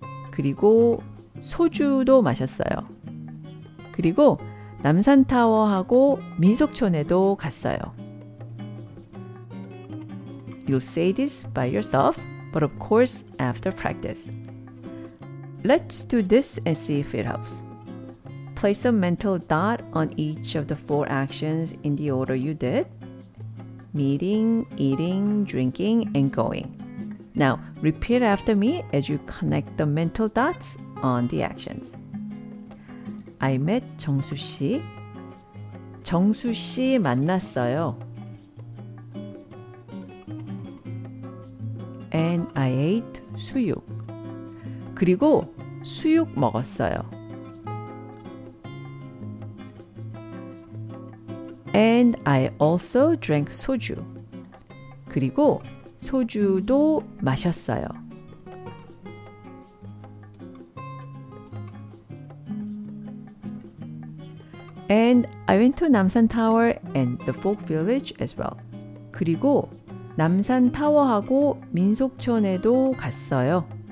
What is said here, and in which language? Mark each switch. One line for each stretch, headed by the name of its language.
Korean: 그리고 소주도 마셨어요. 그리고 남산타워하고 민속촌에도 갔어요.
English: You'll say this by yourself, but of course after practice. Let's do this and see if it helps. Place a mental dot on each of the four actions in the order you did. meeting, eating, drinking, and going. Now, repeat after me as you connect the mental dots on the actions. I met 정수 씨.
Korean: 정수 씨 만났어요.
English: And I ate 수육.
Korean: 그리고 수육 먹었어요.
English: And I also drank 소주.
Korean: 그리고 소주도 마셨어요.
English: And I went to Namsan Tower and the Folk Village as well.
Korean: 그리고 남산 타워하고 민속촌에도 갔어요.